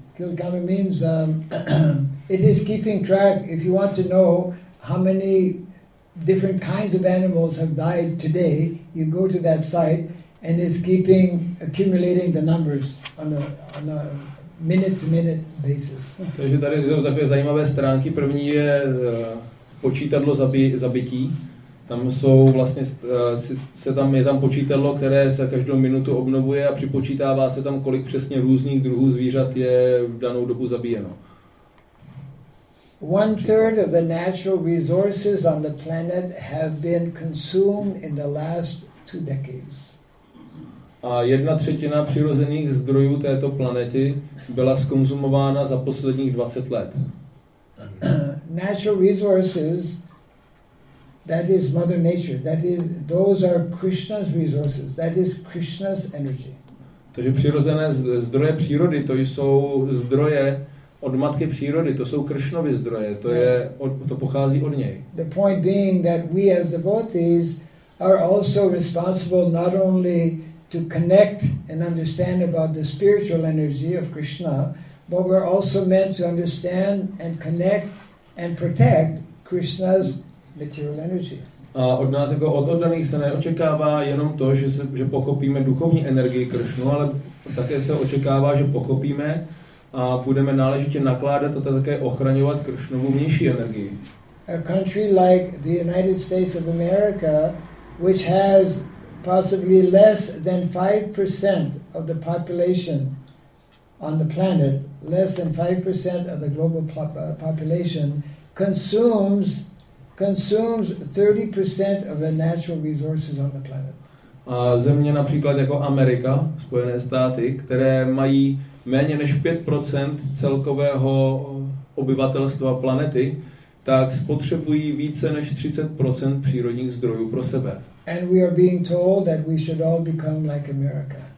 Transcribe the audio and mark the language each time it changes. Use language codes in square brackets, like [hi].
[en] Kill Counter means it is keeping track. If you want to know how many different kinds of animals have died today, you go to that site and it's keeping accumulating the numbers on a minute-to-minute basis. [cs] Takže tady jsou takové zajímavé stránky. První je počítadlo zabití. Tam jsou vlastně je tam počítadlo, které se každou minutu obnovuje a připočítává se tam, kolik přesně různých druhů zvířat je v danou dobu zabíjeno. [en] One third of the natural resources on the planet have been consumed in the last two decades. [cs] A jedna třetina přirozených zdrojů této planety byla skonzumována za posledních 20 let. [en] Natural resources, that is Mother Nature, that is, those are Krishna's resources, that is Krishna's energy. [cs] Takže přirozené zdroje přírody, to jsou zdroje od matky přírody, to jsou Kršnovy zdroje, to pochází od něj. [en] The point being that we as devotees are also responsible not only to connect and understand about the spiritual energy of Krishna, but we're also meant to understand and connect and protect Krishna's material energy. [cs] A od nás jako od oddaných se neočekává jenom to, že pochopíme duchovní energii Krishnu, ale také se očekává, že pochopíme a budeme náležitě nakládat a také ochraňovat Kršnovu vnější energii. [en] A country like the United States of America, which has possibly less than 5% of the population on the planet, less than 5% of the global population, consumes 30% of the natural resources on the planet. [cs] A země například jako Amerika, Spojené státy, které mají méně než 5% celkového obyvatelstva planety, tak spotřebují více než 30% přírodních zdrojů pro sebe. [en] And we are being told that we should all become like America.